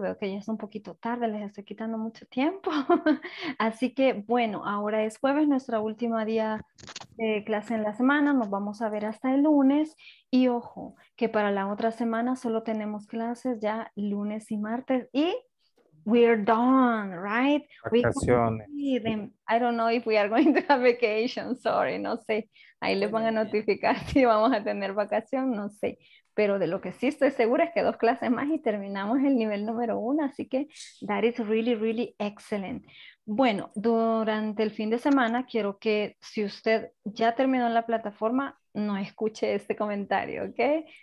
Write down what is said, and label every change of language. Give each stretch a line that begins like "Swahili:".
Spanish: Veo que ya es un poquito tarde, les estoy quitando mucho tiempo. Así que, bueno, ahora es jueves, nuestro último día de clase en la semana. Nos vamos a ver hasta el lunes. Y ojo, que para la otra semana solo tenemos clases ya lunes y martes.
English: Y we're done, right?
Spanish: Vacaciones.
English: I don't know if we are going to have vacation, sorry,
Spanish: no sé. Ahí les van a notificar si vamos a tener vacación, no sé. Pero de lo que sí estoy segura es que dos clases más y terminamos el nivel número uno, así que
English: that is really, really excellent.
Spanish: Bueno, durante el fin de semana quiero que si usted ya terminó en la plataforma, no escuche este comentario, ¿ok?